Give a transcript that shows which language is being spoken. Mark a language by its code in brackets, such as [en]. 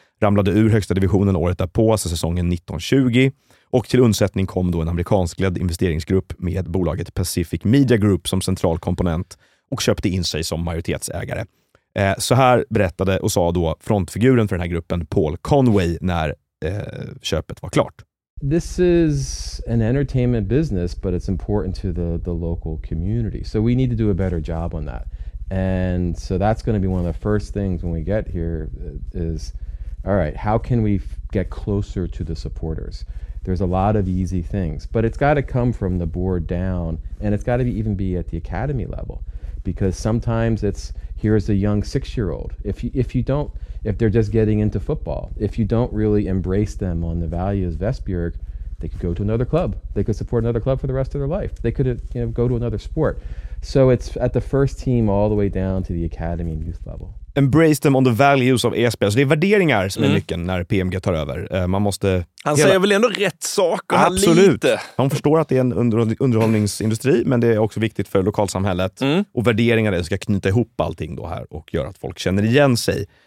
[sv] Ramlade ur högsta divisionen året därpå, alltså säsongen 19-20. Och till undsättning kom då en amerikanskledd investeringsgrupp med bolaget Pacific Media Group som central komponent och köpte in sig som majoritetsägare. Så här berättade och sa då frontfiguren för den här gruppen, Paul Conway, när köpet var klart. [en] This is an entertainment business, but it's important to the local community. So we need to do a better job on that. And so that's going to be one of the first things when we get here is, all right, how can we get closer to the supporters? There's a lot of easy things, but it's got to come from the board down, and it's got to be even be at the academy level, because sometimes it's, here's a young six-year-old. If they're just getting into football, if you don't really embrace them on the values of Vestbjerg, they could go to another club. They could support another club for the rest of their life. They could, you know, go to another sport. So it's at the first team all the way down to the academy and youth level. Embrace them on the values of ESPN. [sv] Så det är värderingar som är nyckeln när PMG tar över. Man måste... Han säger väl ändå rätt saker. Absolut. Lite. Man förstår att det är en underhållningsindustri, men det är också viktigt för lokalsamhället. Mm. Och värderingar ska knyta ihop allting då här och göra att folk känner igen sig.